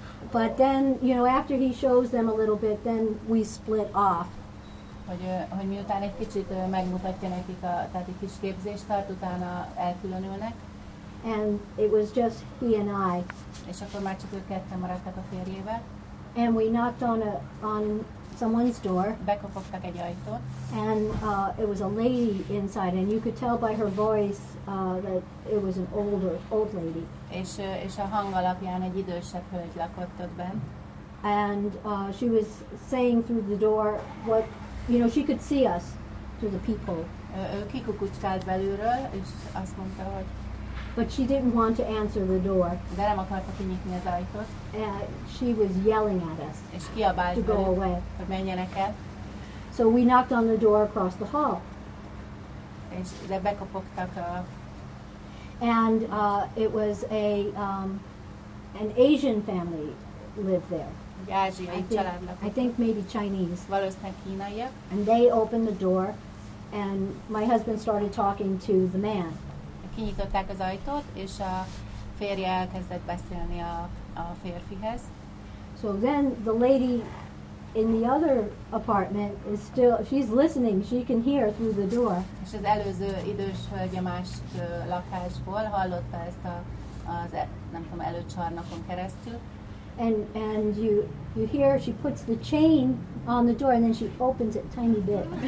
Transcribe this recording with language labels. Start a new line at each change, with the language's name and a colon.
English: But then, you know, after he shows them a little bit, then we split off.
Hungarian: Hogy miután egy kicsit megmutatja nekik, tehát egy kis képzést tart, utána elkülönülnek.
English: And it was just he and I.
Hungarian: És akkor már csak ők ketten maradtak a férjével.
English: And we knocked on someone's door.
Hungarian: Bekopogtak egy ajtót.
English: And it was a lady inside, and you could tell by her voice that it was an old lady.
Hungarian: És a hang alapján egy idősebb hölgy lakott ott bent.
English: And she was saying through the door, what, you know, she could see us through the people.
Hungarian: Ő kikukucskált belülről, és azt mondta, hogy.
English: But she didn't want to answer the door.
Hungarian: De nem akarta kinyitni az ajtót.
English: She was yelling at us.
Hungarian: És kiabált
English: to go away.
Hungarian: Hogy menjenek el.
English: So we knocked on the door across the hall.
Hungarian: És de bekopogtak a.
English: And it was a an Asian family lived there.
Hungarian: Ázsiai családnak.
English: I think maybe Chinese.
Hungarian: Valószínűleg kínaiak.
English: And they opened the door, and my husband started talking to the man.
Hungarian: Kinyitották az ajtót, és a férje elkezdett beszélni a férfihez.
English: So then the lady in the other apartment is still, she's listening, she can hear through the door.
Hungarian: És az előző idős hölgy a másik lakásból hallotta ezt nem tudom, előcsarnokon keresztül.
English: And you hear she puts the chain on the door and then she opens it tiny bit.